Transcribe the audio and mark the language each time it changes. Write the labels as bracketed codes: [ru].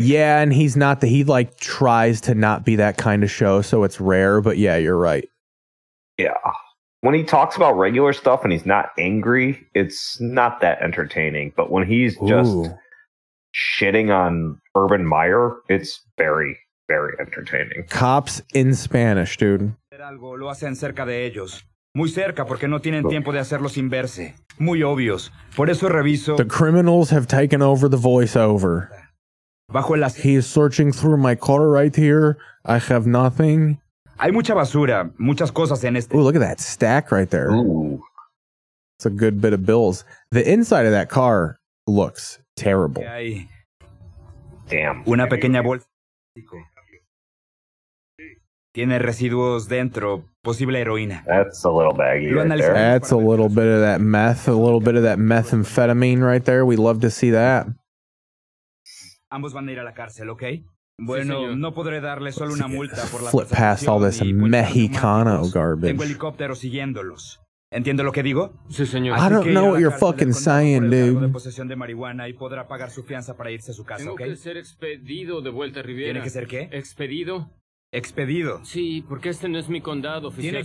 [en] yeah, and he's not that he like tries to not be that kind of show, so it's rare, but yeah, you're right. Yeah. When he talks about regular stuff and he's not angry, it's not that entertaining. But when he's just shitting on Urban Meyer, it's very, very entertaining. Cops in Spanish, dude. [es] Algo lo hacen cerca de ellos. Muy cerca porque no tienen tiempo de hacerlo sin verse. Muy obvios. Por eso reviso. [en] The criminals have taken over the voiceover. [es] Bajo el [en] he is searching through my car right here. I have nothing. [es] Hay mucha basura, muchas cosas en este. [en] Ooh, look at that stack right there. Ooh. It's a good bit of bills. The inside of that car looks terrible. [es] Hay... [en] Damn. [es] Una pequeña bolsa. Tiene residuos dentro, posible heroína. [en] That's a little baggy right there. That's a little bit of that meth, a little bit of that methamphetamine right there. We love to see that. [es] Ambos van a ir a la cárcel, okay? Bueno, no podré darle solo una multa por la [en] flip past all this Mexicano garbage. [es] Tengo helicópteros siguiéndolos. ¿Entiendo lo que digo? Sí, señor. [en] I don't know what you're fucking saying, dude. [es] Posesión de marihuana y podrá pagar su fianza para irse a su casa, ¿okay? Tiene que ser expedido de vuelta a Riviera. ¿Tiene que ser qué? Expedido. Expedido. Sí, porque este no es mi condado, oficial.